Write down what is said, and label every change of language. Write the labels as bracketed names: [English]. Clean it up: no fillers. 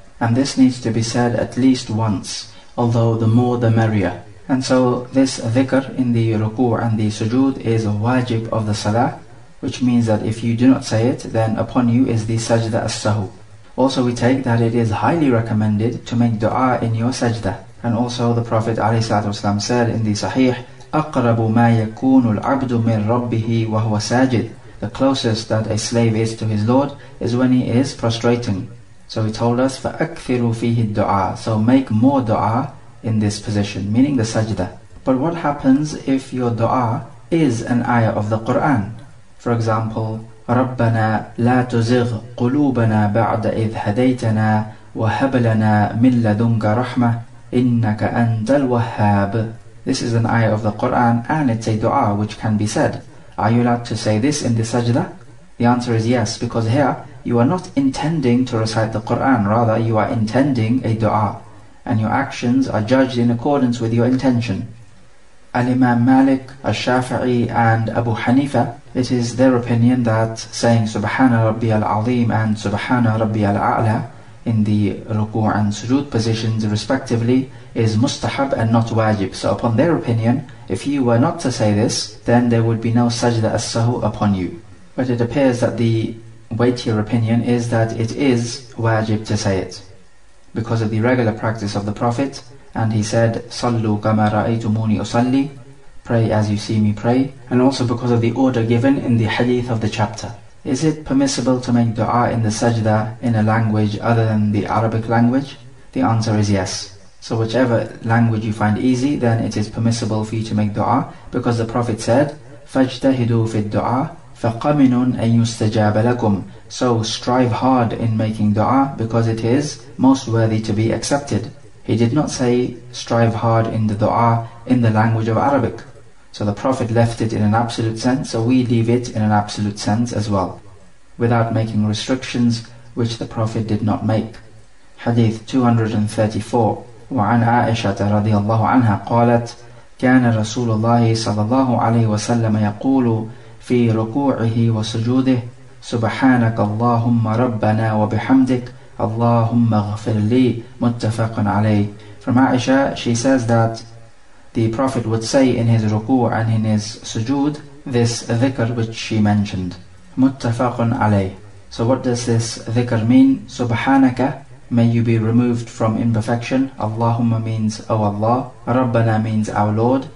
[English] And this needs to be said at least once, although the more the merrier. And so this dhikr in the ruku' and the sujood is a wajib of the salah, which means that if you do not say it, then upon you is the sajda as-sahu. Also we take that it is highly recommended to make dua in your sajda. [Arabic] And also the Prophet ﷺ said in the sahih, أَقْرَبُ مَا يَكُونُ الْعَبْدُ مِنْ رَبِّهِ وَهُوَ سَاجِدٌ. [English] The closest that a slave is to his Lord is when he is prostrating. [Arabic] So he told us, فَأَكْثِرُ فِيهِ الدُّعَى. [English] So make more dua in this position, meaning the sajda. But what happens if your dua is an ayah of the Qur'an? [Arabic] For example, رَبَّنَا لَا تُزِغْ قُلُوبَنَا بَعْدَ إِذْ هَدَيْتَنَا وَهَبْ لَنَا مِنْ لَدُنْكَ رَحْمَةٍ إِنَّكَ أَنْتَ الْوَهَّابُ. [English] This is an ayah of the Qur'an and it's a dua which can be said. Are you allowed to say this in the sajda? The answer is yes, because here you are not intending to recite the Qur'an, rather you are intending a dua. And your actions are judged in accordance with your intention. Al-Imam Malik, Al-Shafi'i and Abu Hanifa, it is their opinion that saying [Arabic] Subhana Rabbi al-Azim [English] and [Arabic] Subhana Rabbi al-A'la [English] in the ruku' and sujood positions respectively is mustahab and not wajib. So upon their opinion, if you were not to say this, then there would be no sajda as-sahu upon you. But it appears that the weightier opinion is that it is wajib to say it because of the regular practice of the Prophet. [Arabic] And he said, صَلُّوا كَمَا رَأَيْتُمُونِي أُصَلِّي. [English] Pray as you see me pray. And also because of the order given in the hadith of the chapter. Is it permissible to make dua in the sajda in a language other than the Arabic language? The answer is yes. So whichever language you find easy, then it is permissible for you to make dua. [Arabic] Because the Prophet said, فَاجْتَهِدُوا فِي الدُّعَى فَقَمِنٌ أَن يُسْتَجَابَ لَكُمْ. [English] So strive hard in making dua because it is most worthy to be accepted. He did not say, strive hard in the dua in the language of Arabic. So the Prophet left it in an absolute sense, so we leave it in an absolute sense as well, without making restrictions which the Prophet did not make. Hadith 234. [Arabic] وعن عائشة رضي الله عنها قالت كان رسول الله صلى الله عليه وسلم يقول في ركوعه وسجوده سبحانك اللهم ربنا وبحمدك اللهم اغفر لي متفق عليه. [English] From Aisha, she says that the Prophet would say in his ruku' and in his sujood this dhikr which she mentioned. [Arabic] متفق عليه. [English] So what does this dhikr mean? Subhanaka, may you be removed from imperfection. Allahumma means, O Allah. Rabbana means, our Lord.